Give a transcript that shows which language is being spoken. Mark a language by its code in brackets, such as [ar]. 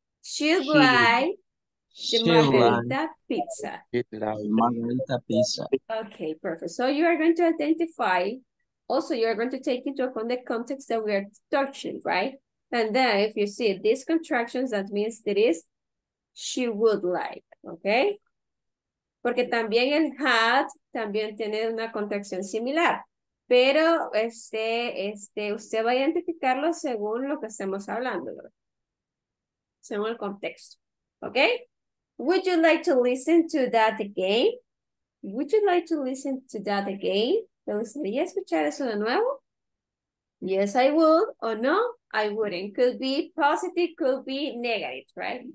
[en] She'll like the margarita pizza. Margarita pizza. Okay, perfect. So you are going to identify, also you are going to take into account the context that we are touching, right? And then if you see these contractions, that means it is she would like, okay? [es] Porque también el had también tiene una contracción similar. Pero usted va a identificarlo según lo que estemos hablando, ¿verdad? Según el contexto. Okay? [en] Would you like to listen to that again? Would you like to listen to that again? [es] ¿Te gustaría escuchar eso de nuevo? [en] Yes, I would. Or no, I wouldn't. Could be positive, could be negative, right?